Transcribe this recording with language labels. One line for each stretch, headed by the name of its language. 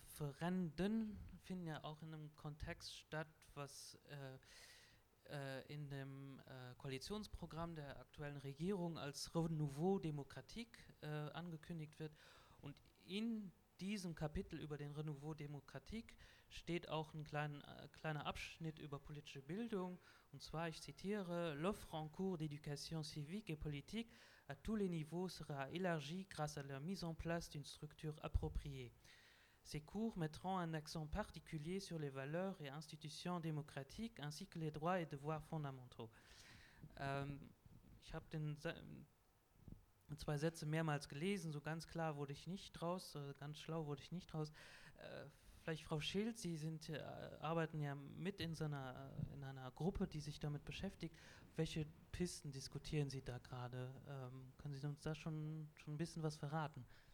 German: Referenden finden ja auch in einem Kontext statt, was in dem Koalitionsprogramm der aktuellen Regierung als Renouveau Démocratique angekündigt wird. Und in diesem Kapitel über den Renouveau Démocratique steht auch ein kleiner Abschnitt über politische Bildung. Und zwar, ich zitiere,
French: l'offre en cours d'éducation civique et politique à tous les niveaux sera élargie grâce à la mise en place d'une structure appropriée. Ces cours mettront un accent particulier sur les valeurs et institutions démocratiques ainsi que les droits et devoirs fondamentaux.
German: Ich habe den zwei Sätze mehrmals gelesen, so ganz klar wurde ich nicht draus, ganz schlau wurde ich nicht draus. Vielleicht Frau Schild, Sie sind, arbeiten ja mit in einer Gruppe, die sich damit beschäftigt. Welche Pisten diskutieren Sie da gerade? Können Sie uns da schon ein bisschen was verraten?